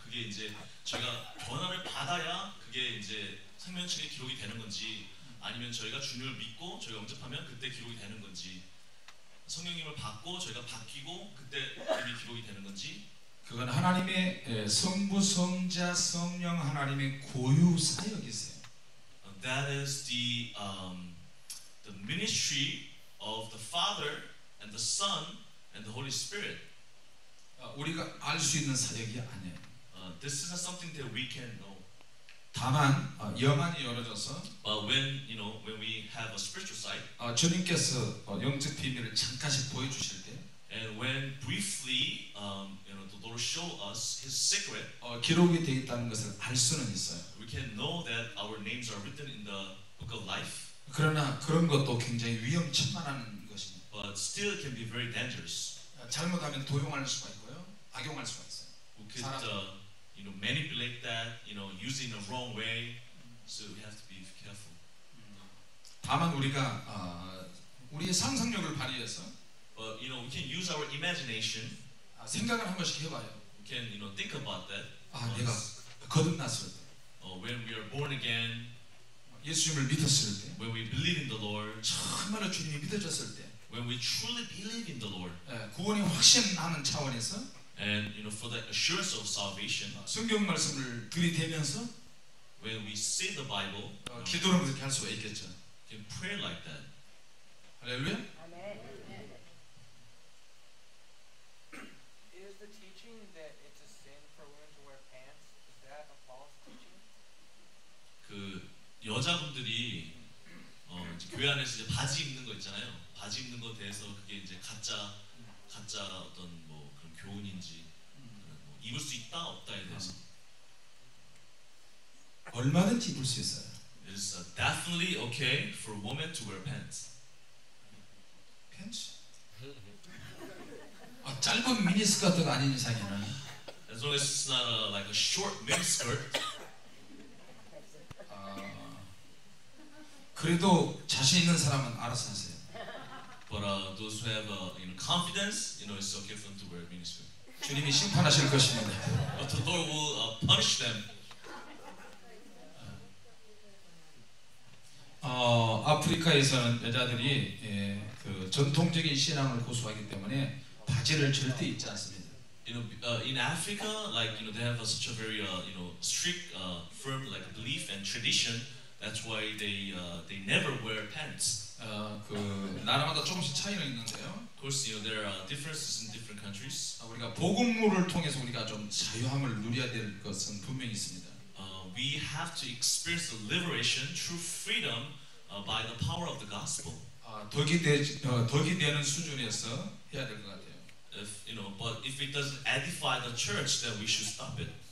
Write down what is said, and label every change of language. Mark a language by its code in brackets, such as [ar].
[ko] 그게 이제 저희가 변화를 받아야 그게 이제 생명책에 기록이 되는 건지, 아니면 저희가 주님을 믿고 저희가 영접하면 그때 기록이 되는 건지, 성령님을 받고 저희가 바뀌고 그때 이름이 기록이 되는 건지, 그건 하나님의 성부 성자 성령 하나님의 고유 사역이세요. [en] That is the ministry of the Father and the Son and the Holy Spirit. [ko] 우리가 알 수 있는 사역이 아니에요. [en] This is not something that we can know. [ko] 다만 영안이 열어져서 [en] when you know when we have a spiritual sight. [ko] 주님께서 영적 비밀을 잠깐씩 보여 주실 때, [en] and when briefly you know the Lord show us his secret. [ko] 기록이 되어 있다는 것을 알 수는 있어요. [en] We can know that our names are written in the book of life. [ko] 그러나 그런 것도 굉장히 위험천만한 것입니다. [en] But still can be very dangerous. [ko] 잘못하면 도용할 수가 있고요, 악용할 수가 있어요. [en] We could, you know, manipulate that, you know, using the wrong way. So we have to be careful. [ko] 다만 우리가 우리의 상상력을 발휘해서, [en] but you know, we can use our imagination. [ko] 생각을 한 번씩 해봐요. [en] We can, you know, think about that. [ko] 내가 거듭났을 때, [en] when we are born again. [ko] 예수님을 믿었을 때, [en] when we believe in the Lord. [ko] 정말로 주님이 믿어졌을 때. [en] When we truly believe in the Lord, [ko] 구원이 확신하는 차원에서, [en] and you know for the assurance of salvation, [ko] 성경 말씀을 들이대면서, [en] when we see the Bible, [ko] 기도를 그렇게 할 수가 있겠죠. [en] Can pray like that. [ko] 할렐루야. [en] Amen. Amen. Is the teaching that it's a sin for women to wear pants, is that a false teaching? [ko] 그 여자분들이 교회 안에서 이제 바지 입는 거 있잖아요. 바지 입는 것에 대해서 그게 이제 가짜 어떤 뭐 그런 교훈인지, 그런 뭐 입을 수 있다 없다에 대해서 얼마든지 입을 수 있어요. [en] It is definitely okay for a woman to wear pants. Pants? [ko] 아, 짧은 미니스커트가 아닌 이상이나. [en] As long as it's not a, like a short miniskirt. [ko] 아, 그래도 자신 있는 사람은 알아서 하세요. [en] But those who have you know, confidence, you know, it's okay for them to wear a miniskirt. [ko] 주님이 심판하실 것입니다. [en] But the Lord will punish them. [ko] 아프리카에서는 여자들이 예, 그 전통적인 신앙을 고수하기 때문에 바지를 절대 입지 않습니다. [en] You know, in Africa, like you know, they have a, such a very you know strict, firm like belief and tradition. That's why they never wear pants. [ko] 그 나라마다 조금씩 차이는 있는데요. [en] Of course, you know, there are differences in different countries. [ko] 우리가 복음을 통해서 우리가 좀 자유함을 누려야 될 것은 분명히 있습니다. [en] We have to experience the liberation through freedom by the power of the gospel. [ko] 덕이 되는 수준에서 해야 될 것 같아요. [en] If you know, but if it doesn't edify the church, then we should stop it.